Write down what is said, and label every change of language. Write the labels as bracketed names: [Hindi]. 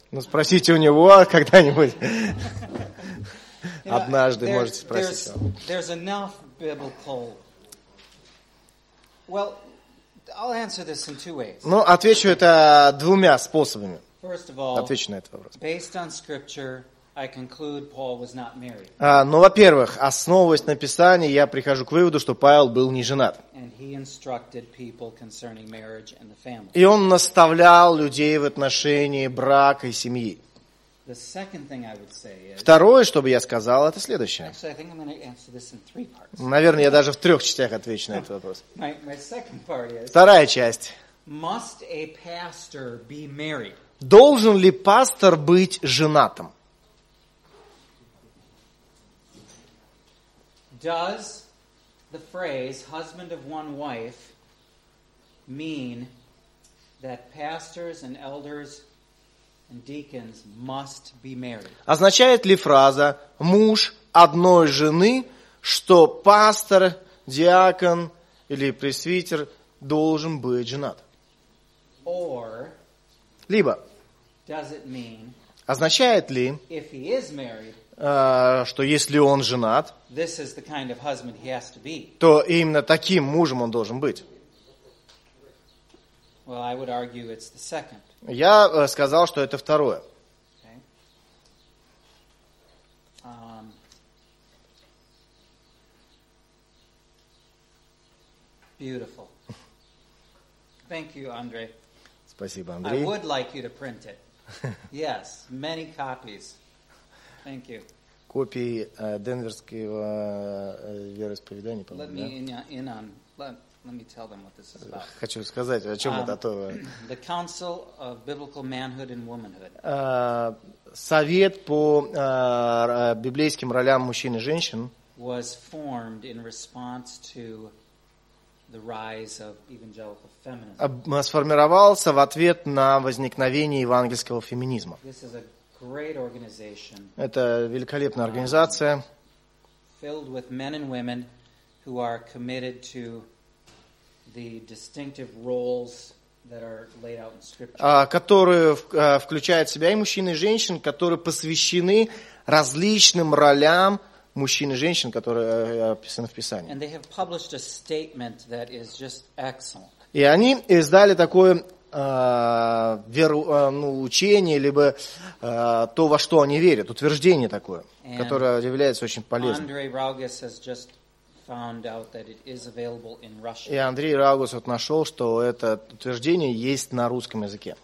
[Russian] Ну спросите у него когда-нибудь. Однажды можете спросить его. [English] There's enough biblical. Well, I'll answer this in two ways. [Russian] Ну, отвечу это двумя способами. [English] First of all, [Russian] отвечу на этот вопрос. [English] Based on scripture, I conclude Paul was not married. [Russian] Ну, во-первых, основываясь на Писании, я прихожу к выводу, что Павел был не женат. [English] And he instructed people concerning marriage and the family. [Russian] И он наставлял людей в отношении брака и семьи. [English] The second thing I would say is. [Russian] Второе, что бы я сказал, это следующее. [English] Actually, I think I'm going to answer this in three parts. [Russian] Наверное, я даже в трех частях отвечу на этот вопрос. [English] My second part is. [Russian] Вторая часть. [English] Must a pastor be married? [Russian] Должен ли пастор быть женатым? [English] Does the phrase "husband of one wife" mean that pastors and elders and deacons must be married? [Russian] Означает ли фраза «муж одной жены», что пастор, диакон или пресвитер должен быть женат? [English] Or, [Russian] либо, [English] does it mean, [Russian] означает ли, [English] if he is married, [Russian] что если он женат, [English] this is the kind of husband he has to be. [Russian] То именно таким мужем он должен быть? [English] Well, I would argue it's the second. [Russian] Я сказал, что это второе. [English] Okay. Beautiful. Thank you, Andre. [Russian] Спасибо, Андрей. [English] I would like you to print it. Yes, many copies. Thank you. [Russian] Копии Денверского вероисповедания, по-моему. [English] Let me in on. Let me tell them what this is about. [Russian] Хочу сказать, о чем это то. [English] The Council of Biblical Manhood and Womanhood. [Russian] Совет по библейским ролям мужчин и женщин. [English] Was formed in response to the rise of evangelical feminism. [Russian] Сформировался в ответ на возникновение евангельского феминизма. [English] This is a great organization. [Russian] Это великолепная организация. [English] Filled with men and women who are committed to the distinctive roles that are laid out in scripture. [Russian] Которые включают в себя и мужчин и женщин, которые посвящены различным ролям мужчин и женщин, которые описаны в Писании. [English] And they have published a statement that is just excellent. [Russian] И они издали такое учение, либо то, во что они верят, утверждение такое, [English] and [Russian] которое является очень полезным. [English] Andrei Raugas has just found out that it is available in Russian. [Russian] И Андрей Раугас вот нашел, что это утверждение есть на русском языке.